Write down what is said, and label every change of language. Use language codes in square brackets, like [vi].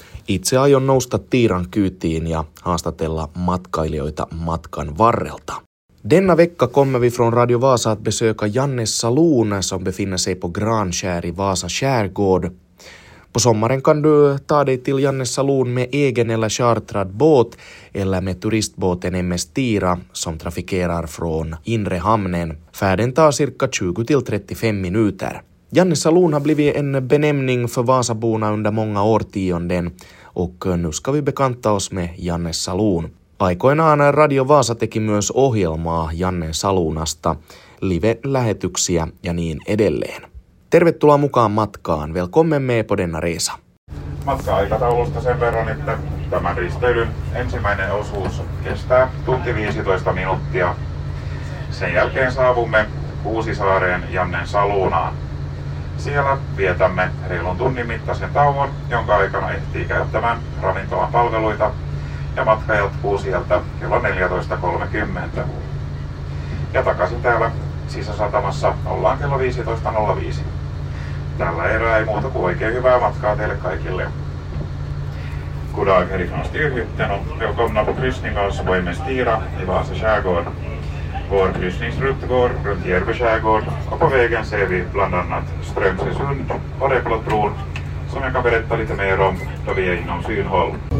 [fi] Itse aion nousta Tiiran kyytiin ja haastatella matkailijoita matkan varrelta. [sv] Denna vecka kommer vi från Radio Vasa att besöka Jannes saloon, som befinner sig på Granskär i Vasa skärgård. På sommaren kan du ta dig till Jannes saloon med egen eller chartrad båt eller med turistbåten MS Tiira, som trafikerar från inre hamnen. Färden tar cirka 20-35 minuter. Jannes saloon har blivit en benämning för Vasaborna under många årtionden och nu ska vi bekanta oss med Jannes saloon. [fi] Aikoinaan Radio Vaasa teki myös ohjelmaa Jannen saluunasta, live-lähetyksiä ja niin edelleen. Tervetuloa mukaan matkaan. [sv] Velkommen med på denna resa. [fi] Matka-aikataulusta sen verran, että tämän risteilyn ensimmäinen osuus kestää tunti 15 minuuttia. Sen jälkeen saavumme Kuusisaareen Jannen saluunaan. Siellä vietämme reilun tunnin mittaisen tauon, jonka aikana ehtii käyttämään ravintolan palveluita. Ja matka jatkuu sieltä kello 14.30. Ja takaisin täällä sisäsatamassa ollaan kello 15.05. Tällä erää ei muuta kuin oikein hyvää matkaa teille kaikille. [sv] God dag, härifrån Styrhytten och välkomna på kryssningarna på MS Tiira i Vasa skärgård. Vår kryssningsrutt går runt Järve skärgård och på vägen ser vi bland annat Strömsesund och Replotbron, som jag kan berätta lite mer om då vi är inom synhåll.